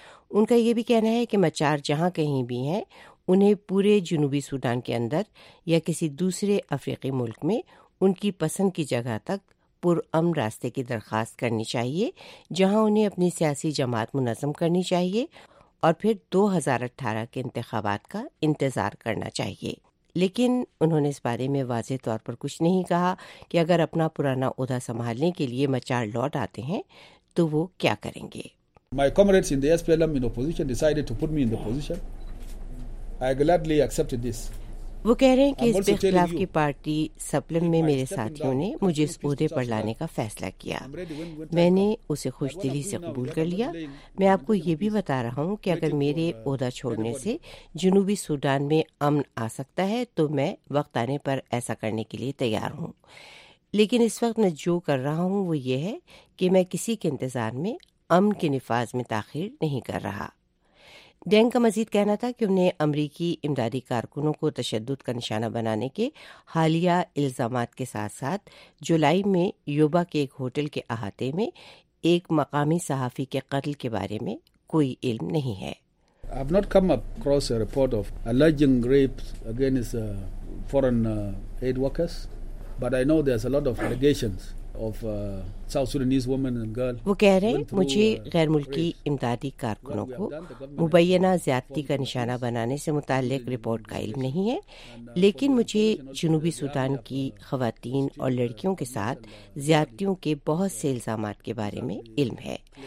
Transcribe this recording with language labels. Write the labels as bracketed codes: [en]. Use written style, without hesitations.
[ur] ان کا یہ بھی کہنا ہے کہ مچار جہاں کہیں بھی ہیں انہیں پورے جنوبی سوڈان کے اندر یا کسی دوسرے افریقی ملک میں ان کی پسند کی جگہ تک پرامن راستے کی درخواست کرنی چاہیے، جہاں انہیں اپنی سیاسی جماعت منظم کرنی چاہیے اور پھر 2018 کے انتخابات کا انتظار کرنا چاہیے. لیکن انہوں نے اس بارے میں واضح طور پر کچھ نہیں کہا کہ اگر اپنا پرانا عہدہ سنبھالنے کے لیے مچار لوٹ آتے ہیں تو وہ کیا کریں گے. [en] My comrades in the SPLM in opposition decided to put me in the position. I gladly accepted this. [ur] وہ کہہ رہے ہیں کہ حزب اختلاف کی پارٹی سپلم میں میرے ساتھیوں نے مجھے اس عہدے پر لانے کا فیصلہ کیا. میں نے اسے خوش دلی سے قبول کر لیا. میں آپ کو یہ بھی بتا رہا ہوں کہ اگر میرے عہدہ چھوڑنے سے جنوبی سوڈان میں امن آ سکتا ہے تو میں وقت آنے پر ایسا کرنے کے لیے تیار ہوں، لیکن اس وقت میں جو کر رہا ہوں وہ یہ ہے کہ میں کسی کے انتظار میں امن کے نفاذ میں تاخیر نہیں کر رہا. ڈینگ کا مزید کہنا تھا کہ انہیں امریکی امدادی کارکنوں کو تشدد کا نشانہ بنانے کے حالیہ الزامات کے ساتھ ساتھ جولائی میں یوبا کے ایک ہوٹل کے احاطے میں ایک مقامی صحافی کے قتل کے بارے میں کوئی علم نہیں ہے. [en] I've not come across a report of alleged rapes against foreign aid workers, but I know there's a lot of allegations. [ur] وہ کہہ رہے ہیں مجھے غیر ملکی امدادی کارکنوں کو مبینہ زیادتی کا نشانہ بنانے سے متعلق رپورٹ کا علم نہیں ہے، لیکن مجھے جنوبی سوڈان کی خواتین اور لڑکیوں کے ساتھ زیادتیوں کے بہت سے الزامات کے بارے میں علم ہے.